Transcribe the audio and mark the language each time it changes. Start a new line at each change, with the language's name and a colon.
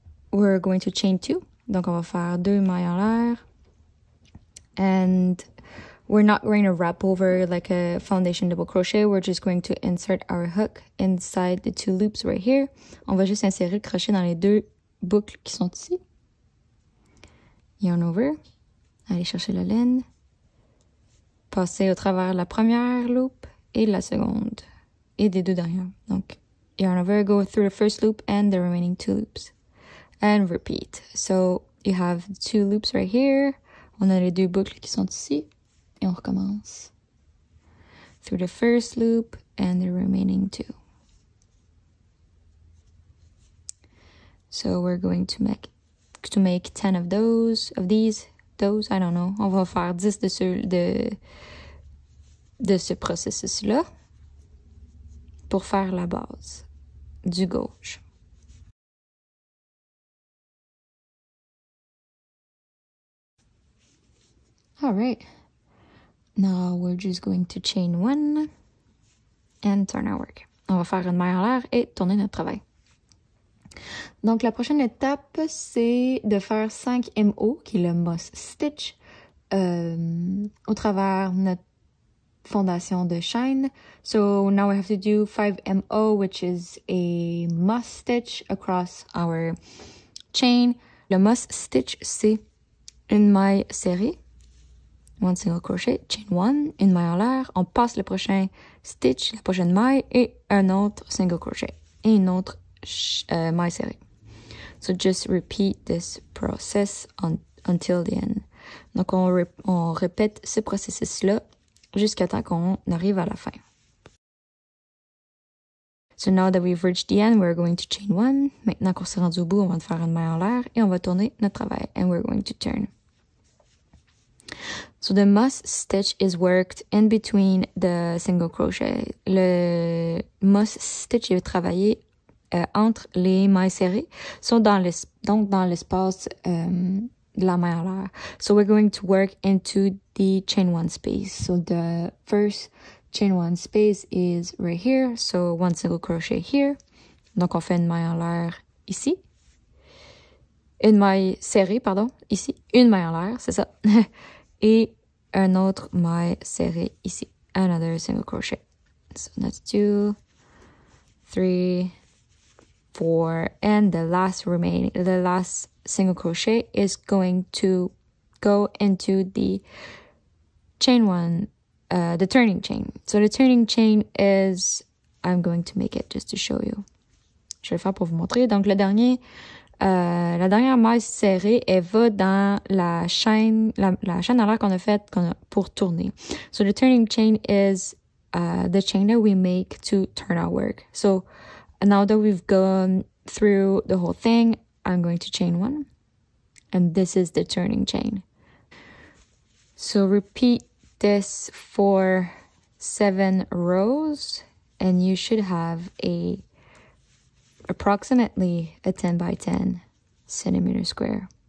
English: We're going to chain two.
French: Donc, on va faire deux mailles en l'air.
English: And we're not going to wrap over like a foundation double crochet. We're just going to insert our hook inside the two loops right here.
French: On va juste insérer le crochet dans les deux boucles qui sont ici.
English: Yarn over.
French: Aller chercher la laine, passer au travers de la première loop et de la seconde, et des deux derrière.
English: Donc, yarn over, go through the first loop and the remaining two loops. And repeat. So, you have two loops right here.
French: On a les deux boucles qui sont ici. Et on recommence.
English: Through the first loop and the remaining two. So, we're going to make 10 of those, of these. I don't know.
French: On va faire 10 de ce processus-là pour faire la base du gauche.
English: All right. Now we're just going to chain one and turn our work.
French: On va faire une maille en l'air et tourner notre travail. Donc, la prochaine étape, c'est de faire 5 MO, qui est le Moss Stitch, au travers de notre fondation de chaîne.
English: So, now we have to do 5 MO, which is a Moss Stitch across our chain.
French: Le Moss Stitch, c'est une maille serrée.
English: one single crochet, chain one,
French: une maille en l'air, on passe le prochain stitch, la prochaine maille, et un autre single crochet, et une autre maille serrée.
English: So just repeat this process until the end.
French: Donc on répète ce processus-là jusqu'à temps qu'on arrive à la fin.
English: So now that we've reached the end, we're going to chain one.
French: Maintenant qu'on s'est rendu au bout, on va faire une maille en l'air et on va tourner notre travail.
English: And we're going to turn. So the must stitch is worked in between the single crochet.
French: Le must stitch est travaillé entre les mailles serrées. Donc dans l'espace de la maille en l'air.
English: So we're going to work into the chain one space. So the first chain one space is right here. So one single crochet here.
French: Donc on fait une maille en l'air ici. Une maille serrée, pardon, ici. Une maille en l'air, c'est ça. Et un autre maille serrée ici.
English: Another single crochet. So that's two, three, four. And the last single crochet is going to go into the chain one, the turning chain. So the turning chain is, I'm going to make it just to show you.
French: Je vais le faire pour vous montrer. Donc la dernière maille serrée, elle va dans la chaîne à l'air qu'on a faite pour tourner.
English: So the turning chain is the chain that we make to turn our work. So now that we've gone through the whole thing, I'm going to chain one. And this is the turning chain. So repeat this for 7 rows and you should have approximately a 10 by 10 centimeter square.